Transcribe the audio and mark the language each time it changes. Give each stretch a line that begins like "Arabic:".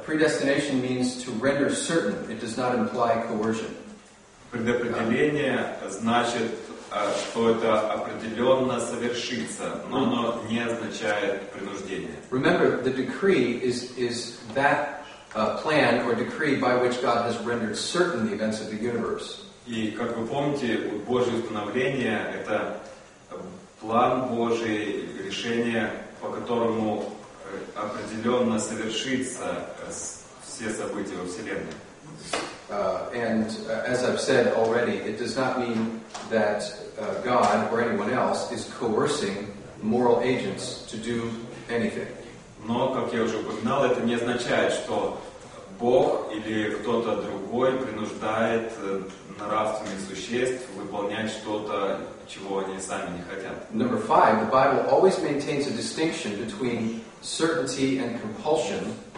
English: Predestination means to render certain. It does not imply coercion.
Russian: Предопределение значит что это определенно совершится, но оно не означает принуждение.
English: Remember, the decree is that plan or decree by which God has rendered certain the events of the universe.
Russian: И, как вы помните, Божье установление — это план Божий, решение, по которому определенно совершится все события во Вселенной.
English: And as I've said already, it does not mean that God or anyone else is coercing moral agents to do anything.
Russian: Но, как я уже упоминал, это не означает, что Бог или кто-то другой принуждает нравственных существ выполнять что-то, чего они сами не хотят.
English: Number five, the Bible always maintains a distinction between certainty and compulsion.